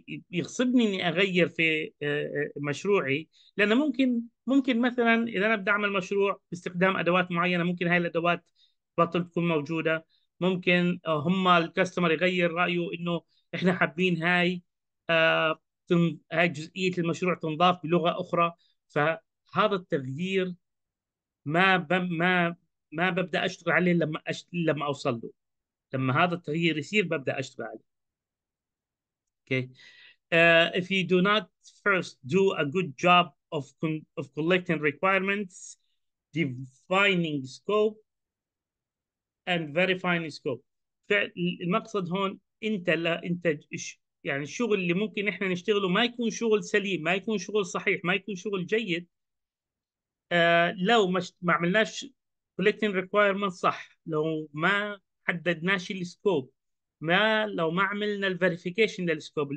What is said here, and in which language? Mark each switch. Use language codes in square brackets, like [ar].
[ar] يغصبني اني اغير في مشروعي، لانه ممكن مثلا اذا انا بدي اعمل مشروع باستخدام ادوات معينه ممكن هاي الادوات بطل تكون موجوده، ممكن هم الكاستمر يغير رايه انه احنا حابين هاي هاي جزئيه المشروع تنضاف بلغه اخرى، فهذا التغيير ما ببدا اشتغل عليه لما اوصل له، لما هذا التغيير يصير ببدا اشتغل عليه. [en] Okay. If you do not first do a good job of collecting requirements, defining scope, and verifying scope. [ar] فالمقصد هون انت يعني الشغل اللي ممكن احنا نشتغله ما يكون شغل سليم، ما يكون شغل صحيح، ما يكون شغل جيد لو ما عملناش [en] collecting requirements [ar] صح، لو ما حددناش السكوب، لو ما عملنا الفيريفيكيشن للسكوب.